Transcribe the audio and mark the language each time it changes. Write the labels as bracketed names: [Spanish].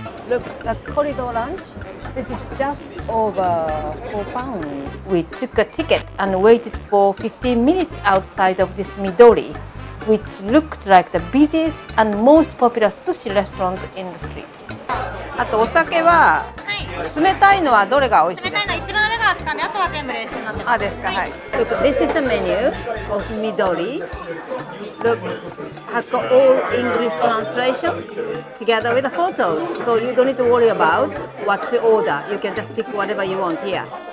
[English] Look, that's corridor lunch. This is just over £4. We took a ticket and waited for 15 minutes outside of this Midori, which looked like the busiest and most popular sushi restaurant in the street. [Japanese] あとお酒は、はい、冷たいのはどれが美味しいですか？冷たいのは一番上が熱かんで、あとは全部冷水になってます。あ、ですか、はい。 [English] Look, this is the menu of Midori. Look, has got all English translation together with the photos. So you don't need to worry about what to order. You can just pick whatever you want here.